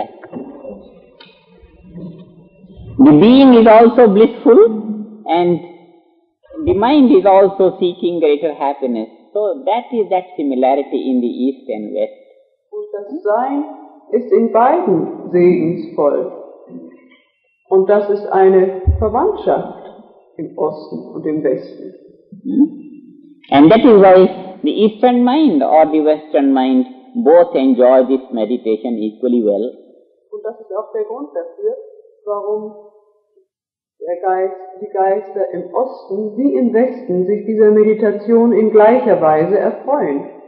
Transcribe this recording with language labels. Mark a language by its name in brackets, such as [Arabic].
[English] The being is also blissful and the mind is also seeking greater happiness. So that is that similarity in the East and West. [German] Das Sein ist in beiden segensvoll. Und das ist eine Verwandtschaft im Osten und im Westen. [English] And that is why the Eastern mind or the Western mind both enjoy this meditation equally well. [German] Und das ist auch der Grund dafür, warum der Geist, die Geister im Osten wie im Westen sich dieser Meditation in gleicher Weise erfreuen.